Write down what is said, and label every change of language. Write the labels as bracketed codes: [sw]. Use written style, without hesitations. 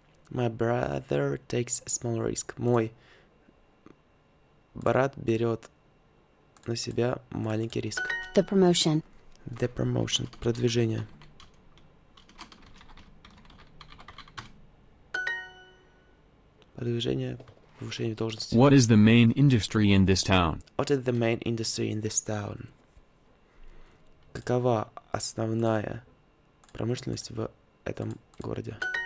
[ru] Мой брат берет на себя маленький риск. [en] The promotion. [ru] Продвижение. Продвижение, повышение должности. [en] What is the main industry in this town? [ru] Какова основная промышленность в этом городе?